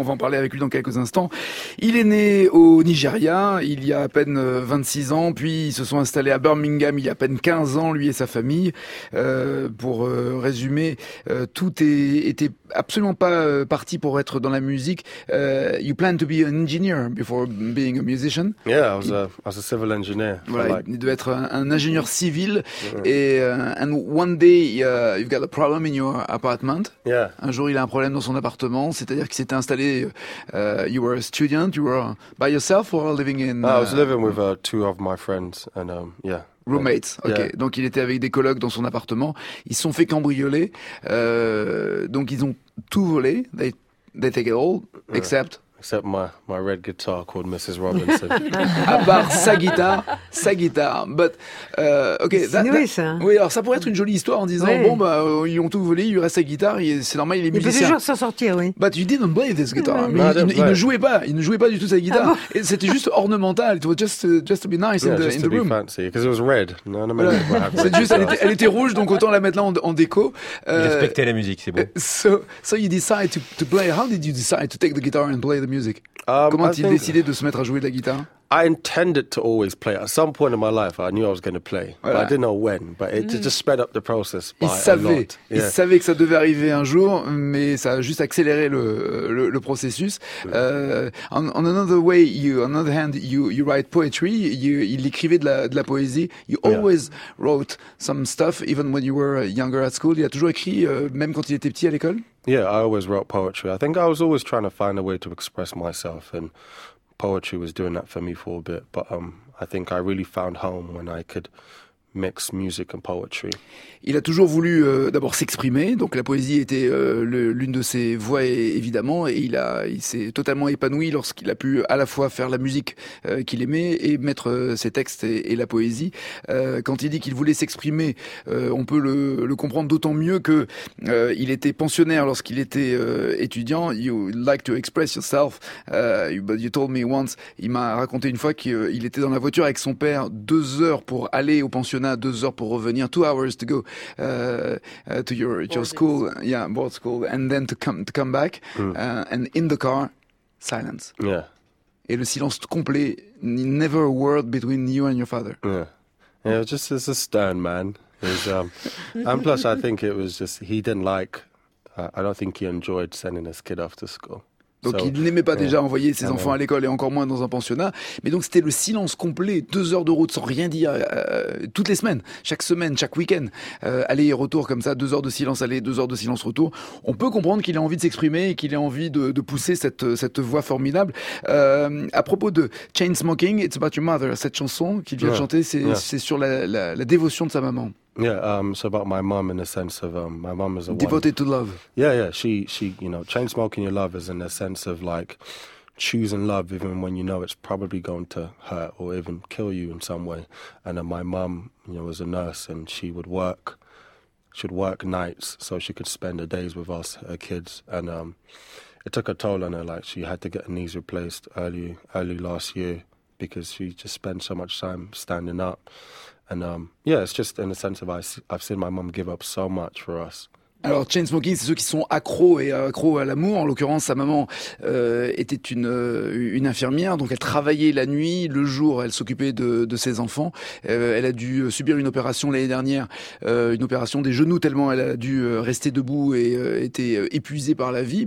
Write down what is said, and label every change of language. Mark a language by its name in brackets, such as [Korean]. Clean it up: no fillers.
[French] On va en parler avec lui dans quelques instants. Il est né au Nigeria il y a à peine 26 ans, puis ils se sont installés à Birmingham il y a à peine 15 ans, lui et sa famille. Pour résumer, tout était absolument pas parti pour être dans la musique. [English] You planned to be an engineer before being a musician. Yeah, I was a civil engineer. [French] Il devait être un ingénieur civil. [English] Et and one day you've got a problem in your apartment. Yeah. [French] Un jour il a un problème dans son appartement, c'est-à-dire qu'il s'était installé. [English] You were a student. You were by yourself or living in? I was living with two of my friends and yeah. Roommates, ok. Yeah. [French] Donc il était avec des colocs dans son appartement. Ils se sont fait cambrioler. Donc ils ont tout volé. [English] They take it all, except... Except my red guitar called Mrs. Robinson. [French] À part sa guitare. [English] But, ok. [French] Oui, alors ça pourrait être une jolie histoire en disant, ouais. Bon, bah, ils ont tout volé, il lui reste sa guitare, et c'est normal, il est musicien. Il peut toujours s'en sortir, oui. [English] But you didn't play this guitar. Mm-hmm. [French] Il ne jouait pas du tout sa guitare. Ah, bon. Et c'était juste ornemental. [English] It was just to be nice, yeah, in the room. Yeah, just to be fancy, because it was red. No, no, voilà. [French] C'est juste, elle était rouge, donc autant la mettre là en déco. Respectez la musique, c'est bon. [English] So you decide to play. How did you decide to take the guitar and play the music? [French] Comment a-t-il décidé de se mettre à jouer de la guitare? [English] I intended to always play. At some point in my life, I knew I was going to play. Voilà. But I didn't know when. But it just sped up the process by a lot. Yeah. [French] Il savait que ça devait arriver un jour, mais ça a juste accéléré le processus. [English] On another way, on another hand, you write poetry. [French] Il écrivait de la poésie. [English] You always wrote some stuff, even when you were younger at school. [French] Il a toujours écrit, même quand il était petit à l'école. [English] Yeah, I always wrote poetry. I think I was always trying to find a way to express myself, and poetry was doing that for me for a bit, but I think I really found home when I could mix music and poetry. [French] Il a toujours voulu d'abord s'exprimer, donc la poésie était l'une de ses voies, évidemment, et il s'est totalement épanoui lorsqu'il a pu à la fois faire la musique qu'il aimait et mettre ses textes et la poésie. Quand il dit qu'il voulait s'exprimer, on peut le comprendre d'autant mieux que il était pensionnaire lorsqu'il était étudiant. [English] You like to express yourself, but you told me once, [French] il m'a raconté une fois qu'il était dans la voiture avec son père 2 heures pour aller au pensionnat. [English] 2 hours [French] pour revenir, [English] 2 hours to go to your school, yeah, board school, and then to come back, and in the car, silence. Yeah. [French] Et le silence complet, [English] never a word between you and your father. Yeah. Yeah, just as a stern man. He's, and plus, I think it was just, he didn't like, I don't think he enjoyed sending his kid off to school. [French] Donc il n'aimait pas déjà envoyer ses enfants à l'école et encore moins dans un pensionnat. Mais donc c'était le silence complet, 2 heures de route sans rien dire, toutes les semaines, chaque week-end. Aller et retour comme ça, 2 heures de silence aller, 2 heures de silence retour. On peut comprendre qu'il ait envie de s'exprimer et qu'il ait envie de pousser cette voix formidable. À propos de Chainsmoking, It's About Your Mother, cette chanson qu'il vient de chanter, c'est sur la dévotion de sa maman. [English] Yeah, so about my mom in the sense of my mom is a devoted to love. Yeah, yeah. She, you know, chain smoking your love is in the sense of like choosing love even when you know it's probably going to hurt or even kill you in some way. And my mom, you know, was a nurse and she would work. She'd work nights so she could spend her days with us, her kids. And it took a toll on her. Like she had to get her knees replaced early last year because she just spent so much time standing up. And yeah, it's just in the sense of I've seen my mom give up so much for us. [French] Alors, Chainsmoking, c'est ceux qui sont accros à l'amour. En l'occurrence, sa maman était une infirmière, donc elle travaillait la nuit, le jour, elle s'occupait de ses enfants. Elle a dû subir une opération l'année dernière, une opération des genoux, tellement elle a dû rester debout et était épuisée par la vie.